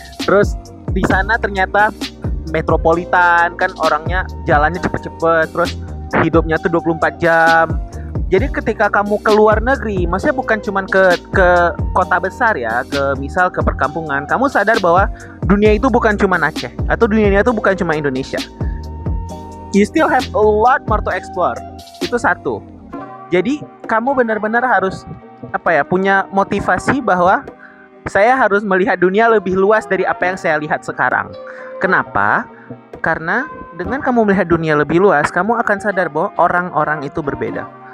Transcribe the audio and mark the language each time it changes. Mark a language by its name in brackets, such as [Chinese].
[Indonesian] Terus di sana ternyata metropolitan kan, orangnya jalannya cepet-cepet, terus hidupnya tuh 24 jam. Jadi ketika kamu ke luar negeri, maksudnya bukan cuma ke kota besar ya, ke misal ke perkampungan, kamu sadar bahwa dunia itu bukan cuma Aceh atau dunia itu bukan cuma Indonesia. [English] You still have a lot more to explore. [Indonesian] Itu satu. Jadi kamu benar-benar harus apa ya, punya motivasi bahwa saya harus melihat dunia lebih luas dari apa yang saya lihat sekarang. Kenapa? Karena dengan kamu melihat dunia lebih luas, kamu akan sadar bahwa orang-orang itu berbeda.